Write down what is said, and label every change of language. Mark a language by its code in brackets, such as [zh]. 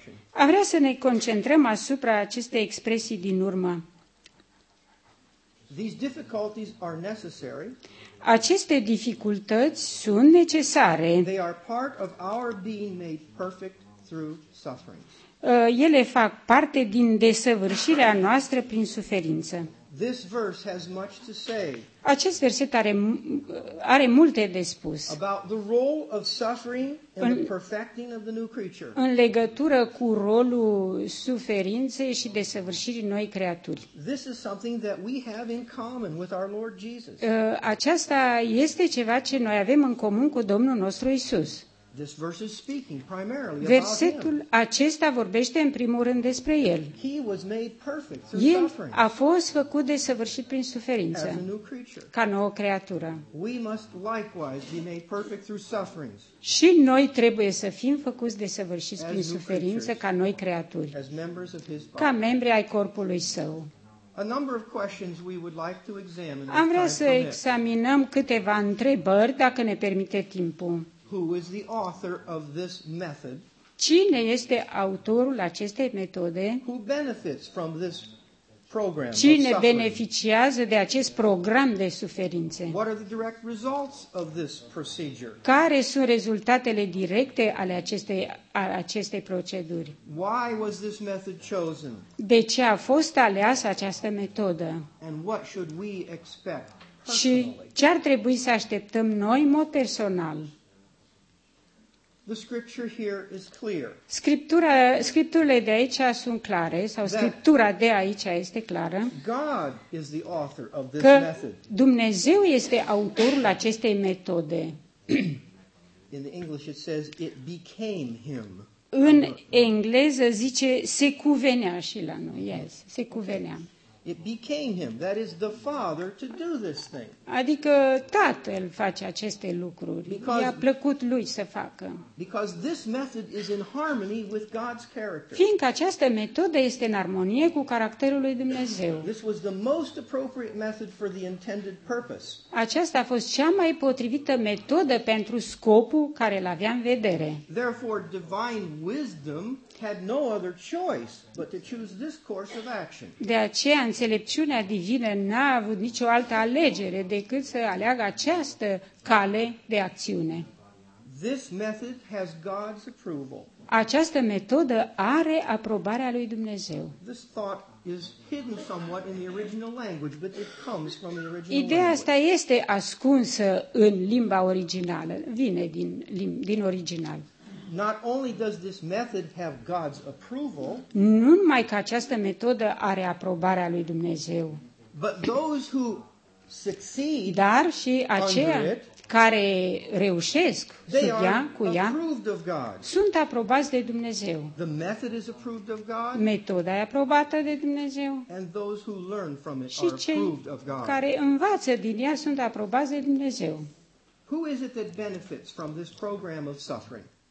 [ro] A vrea să ne concentrăm asupra acestei expresii din urmă. [en] These difficulties are necessary. [ro] Aceste dificultăți sunt necesare. [en] They are part of our being made perfect through suffering. [ro] Ele fac parte din desăvârșirea noastră prin suferință. [en] This verse has much to say. [ro] Acest verset are multe de spus. [en] About the role of suffering in the perfecting of the new creature. [ro] În legătură cu rolul suferinței și desăvârșirii noi creaturi. [en] This is something that we have in common with our Lord Jesus. [ro] Aceasta este ceva ce noi avem în comun cu Domnul nostru Isus. [en] This verse is speaking primarily about [ro] Versetul acesta vorbește în primul rând despre el. [en] He was made perfect through [ro] el a fost făcut desăvârșit prin suferință, ca nouă creatură. [en] We must likewise be made perfect through sufferings. [ro] Și noi trebuie să fim făcuți desăvârșiți prin suferință, ca noi creaturi, [en] as members of his body. [ro] Ca membri ai corpului său. [en] A number of questions we would like to examine. [ro] Am vrea să examinăm câteva întrebări, dacă ne permite timpul. [en] Who is the author of this method? [ro] Cine este autorul acestei metode? [en] Who benefits from this program? [ro] Cine beneficiază de acest program de suferințe? [en] What are the direct results of this procedure? [ro] Care sunt rezultatele directe ale acestei proceduri? [en] Why was this method chosen? [ro] De ce a fost aleasă această metodă? [en] And what should we expect personally? [ro] Și ce ar trebui să așteptăm noi în mod personal? [en] The scripture here is clear. [ro] Scripturile de aici sunt clare, sau scriptura de aici este clară. [en] God is the author of this [ro] că [en] method. [ro] Dumnezeu este autorul acestei metode. [en] In the English it says it became him. [ro] În engleză zice se cuvenea și la noi. [en] Yes, [ro] se cuvenea. [en] Okay. It became him. That is the father to do this thing. [ro] Adică tatăl face aceste lucruri. I-a plăcut lui să facă. [en] Because this method is in harmony with God's character. [ro] Fiindcă această metodă este în armonie cu caracterul lui Dumnezeu. [en] This was the most appropriate method for the intended purpose. [ro] Aceasta a fost cea mai potrivită metodă pentru scopul care îl avea în vedere. [en] Therefore, divine wisdom had no other choice but to choose this course of action. [ro] De aceea, înțelepciunea divină n-a avut nicio altă alegere decât să aleagă această cale de acțiune. [en] This method has God's approval. [ro] Această metodă are aprobarea lui Dumnezeu. [en] This thought is hidden somewhat in the original language, but it comes from the original. [ro] Ideea asta este ascunsă în limba originală, vine din original. [en] Not only does this method have God's approval, [ro] nu numai că această metodă are aprobarea lui Dumnezeu, [en] but those who succeed, [ro] dar și aceia care reușesc sub ea, cu ea, sunt aprobați de Dumnezeu. [en] The method is approved of God. [ro] Metoda e aprobată de Dumnezeu. [en] And those who learn from it [ro] și cei care învață din ea sunt aprobați de Dumnezeu. [en] Who is it that benefits from this program of suffering?